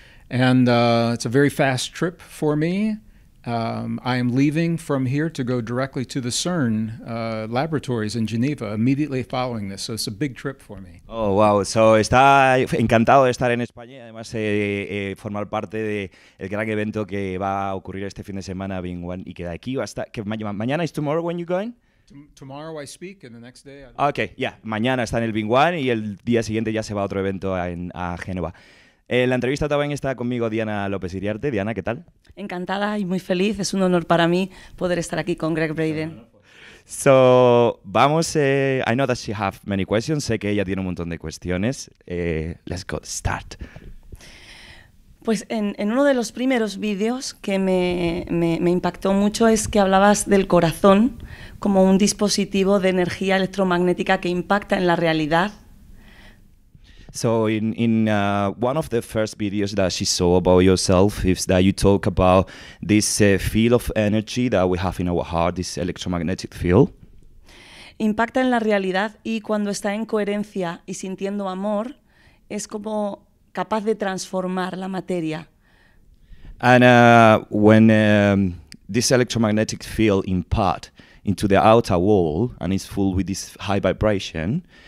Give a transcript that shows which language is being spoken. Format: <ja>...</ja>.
<en>And it's a very fast trip for me. I am leaving from here to go directly to the CERN laboratories in Geneva immediately following this. So it's a big trip for me. Oh, wow.</en> <es>So está encantado de estar en España y además formar parte del gran evento que va a ocurrir este fin de semana, Being One, y que de aquí hasta... Que mañana</es> <en>is tomorrow when you're going? Tomorrow I speak, and the next day... Okay, yeah.</en> <es>Mañana está en el Being One y el día siguiente ya se va a otro evento a Génova. En la entrevista también está conmigo Diana López Iriarte. Diana, ¿qué tal? Encantada y muy feliz. Es un honor para mí poder estar aquí con Gregg Braden.</es> <en>So,</en> <es>vamos...</es> <en>I know that she has many questions.</en> <es>Sé que ella tiene un montón de cuestiones.</es> <en>Let's go, start.</en> <es>Pues en uno de los primeros vídeos que me impactó mucho es que hablabas del corazón como un dispositivo de energía electromagnética que impacta en la realidad.</es> <en>So in one of the first videos that she saw about yourself is that you talk about this field of energy that we have in our heart, this electromagnetic field.</en> <es>Impacta en la realidad y cuando está en coherencia y sintiendo amor es como capaz de transformar la materia.</es> <en>And when this electromagnetic field impart into the outer wall and is full with this high vibration,</en>